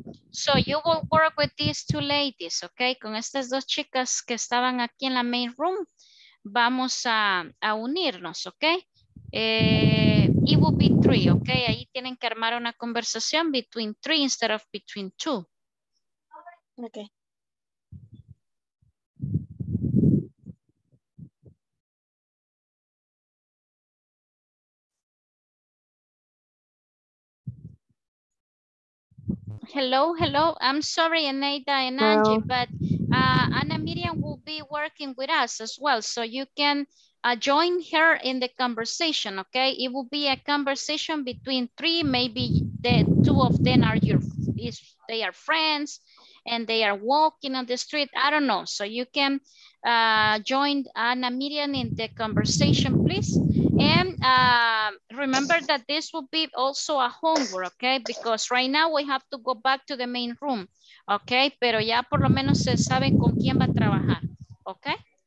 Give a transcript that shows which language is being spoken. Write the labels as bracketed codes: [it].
[en] So you will work with these two ladies, okay? [es] Con estas dos chicas que estaban aquí en la main room, vamos a unirnos, okay? [en] It will be three, okay? [es] Ahí tienen que armar una conversación [en] between three instead of between two. Okay. Hello, hello. I'm sorry, Eneida and Angie, hello. But Ana Miriam will be working with us as well, so you can join her in the conversation, okay? It will be a conversation between three, maybe the two of them are they are friends and they are walking on the street, I don't know. So you can join Ana Miriam in the conversation, please. And remember that this will be also a homework, okay? Because right now we have to go back to the main room, okay? [es] Pero ya por lo menos se sabe con quién va a trabajar, [en] okay?